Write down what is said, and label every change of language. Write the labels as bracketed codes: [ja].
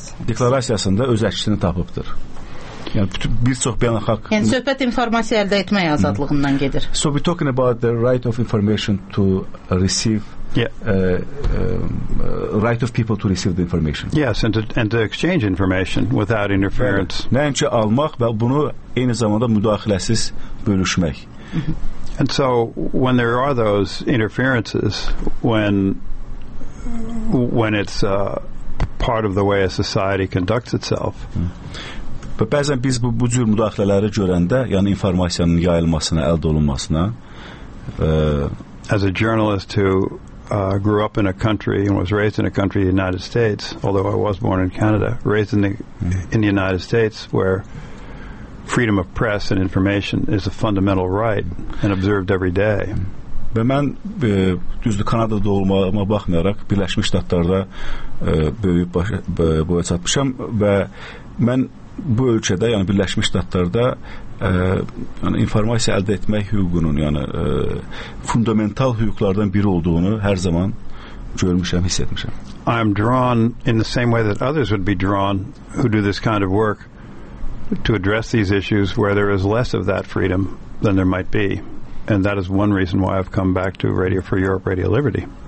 [az] deklarasyasında öz əksini tapıbdır. Yani bir çox beynəlxalq hak... Yani söhbət informasiya əldə etmək azadlığından gedir. [en] So we're talking about the right of information to receive right of people to receive the information. Yes, and to exchange information without interference. [az] Nəinki almaq və bunu eyni zamanda müdaxiləsiz bölüşmək. [en] And so when there are those interferences, when it's part of the way a society conducts itself. [az] Və bəzən biz bu cür müdaxilələri görəndə, yəni informasiyanın yayılmasına, əldə olunmasına, [en] as a journalist who grew up in a country and was raised in a country, the United States, although I was born in Canada, raised in the United States, where freedom of press and information is a fundamental right and observed every day. [az] Və mən düzdür Kanada'da olmağıma baxmayaraq Birləşmiş Ştatlarda böyüyüb boya çatmışam və mən bu ölkədə, yəni Birləşmiş Ştatlarda yəni informasiya əldə etmək hüququnun yəni fundamental hüquqlardan biri olduğunu hər zaman görmüşəm, hiss etmişəm. [en] I am drawn in the same way that others would be drawn who do this kind of work to address these issues where there is less of that freedom than there might be. And that is one reason why I've come back to Radio for Europe, Radio Liberty.